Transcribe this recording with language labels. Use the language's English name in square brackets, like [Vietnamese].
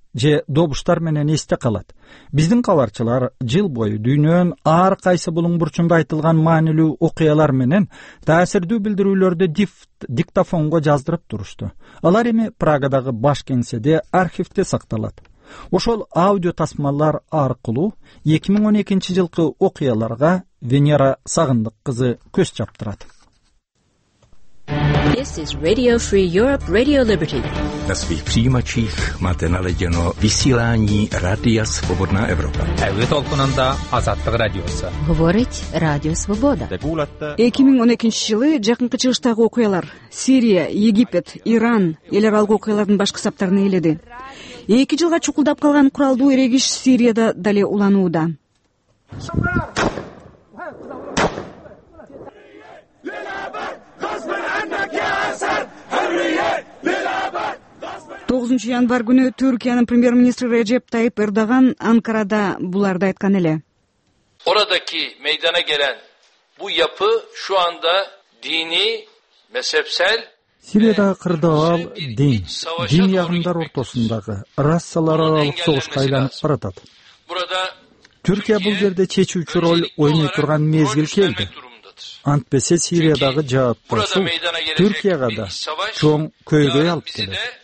[Kyrgyz] же добуштар менен эсте калат. Биздин каларчылар жыл бою дүйнөнүн ар кайсы булуңбурчунда айтылган маанилүү окуялар менен таасирдүү билдирүүлөрдү диктофонго жаздырып турушту. Алар эми Прагадагы баш кеңседе архивде сакталат. Ошол аудио тасмалар аркылуу 2012 жылкы окуяларга Венера Сагындык кызы көз чаптырат. [English] This is Radio Free Europe, Radio Liberty. [Czech] Na svých přijímačích máte naladěno vysílání Rádia Svobodná Evropa. Evitolkonanda Azadlyk Radiosu. [Russian] Hovorit Radio Svoboda. [Kyrgyz] 2012 жылы жакынкы чыгыштагы окуялар. Сирия, Египет, Иран эл аралык окуялардын башкы саптарын ээледи. 2 жылга чукулдап калган куралдуу эрегиш Сирияда дале уланууда. Тогузунчу январ күнү Түркиянын премьер-министри Реджеп Тайип Эрдоган Анкарада буларды айткан эле. [Turkish] Oradaki meydana gelen bu yapı şu anda dini, mezhepsel [Kyrgyz] Сирияда кырдаал дин, дин ягымдар ортосундагы расалар аралык согушка айланып баратат. Түркия бул жерде чечүүчү роль ойной турган мезгил келди. Антпесе Сириядагы жаатпашуу Түркияга да чоң көйгөй алып келет.